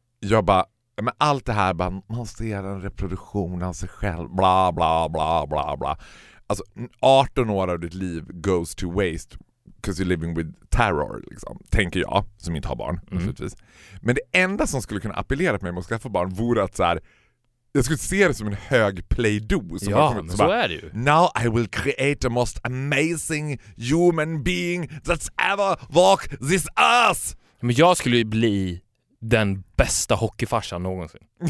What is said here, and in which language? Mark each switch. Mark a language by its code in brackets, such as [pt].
[sv] Jag bara, men allt det här bara, man ser en reproduktion av sig själv, bla bla bla bla bla. Alltså 18 år av ditt liv [en] goes to waste because you're living with terror, [sv] liksom, tänker jag som inte har barn naturligtvis. Men det enda som skulle kunna appellera på mig om att skaffa barn vore att så här, jag skulle se det som en hög play-do. Som, ja, men så bara, är det ju. [en] Now I will create the most amazing human being that's ever walked this earth. [sv] Men jag skulle ju bli den bästa hockeyfarsan någonsin.